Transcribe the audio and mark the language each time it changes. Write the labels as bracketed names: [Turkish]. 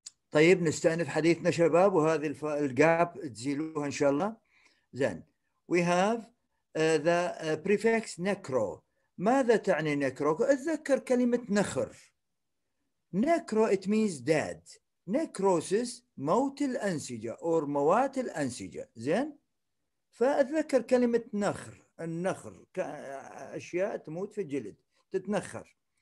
[Arabic] طيب نستأنف حديثنا شباب، وهذه الجاب تزيلوها إن شاء الله. زين، [English] we have the prefix necro. [Arabic] ماذا تعني necro؟ أتذكر كلمة نخر. [English] necro it means dead. [Arabic] necrosis موت الأنسجة أو موات الأنسجة. زين، فأتذكر كلمة نخر، النخر كأشياء تموت في الجلد تتنخر.